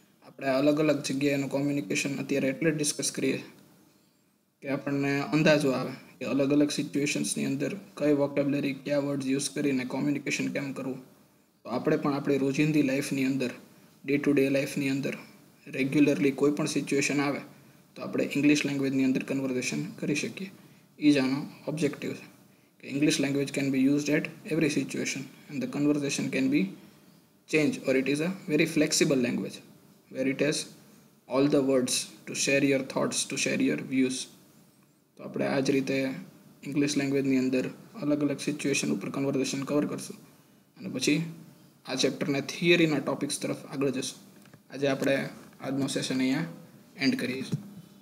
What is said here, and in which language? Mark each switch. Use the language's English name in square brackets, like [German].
[Gujarati] આપણે અલગ અલગ જગ્યાએનું કોમ્યુનિકેશન અત્યારે એટલે ડિસ્કસ કરીએ કે આપણને અંદાજો આવે કે અલગ અલગ સિચ્યુએશન્સની અંદર કઈ વોકેબ્યુલરી, કયા વર્ડ્સ યુઝ કરીને કોમ્યુનિકેશન કેમ કરવું. તો આપણે પણ આપણી રોજિંદી લાઈફની અંદર, ડે ટુ ડે લાઈફની અંદર રેગ્યુલરલી કોઈ પણ સિચ્યુએશન આવે તો આપણે ઇંગ્લિશ લેંગ્વેજની અંદર કન્વર્ઝેશન કરી શકીએ, એ જ આનો ઓબ્જેક્ટિવ છે. [English] English language can be used at every situation and the conversation can be changed, or it is a very flexible language where it has all the words to share your thoughts, to share your views. [Gujarati] તો આપણે આ જ રીતે English લેંગ્વેજની અંદર અલગ અલગ situation ઉપર કન્વર્ઝેશન કવર કરશું અને પછી આ ચેપ્ટરના થિયરીના ટોપિક્સ તરફ આગળ જશું. આજે આપણે આજનો સેશન અહીંયા એન્ડ કરીશું.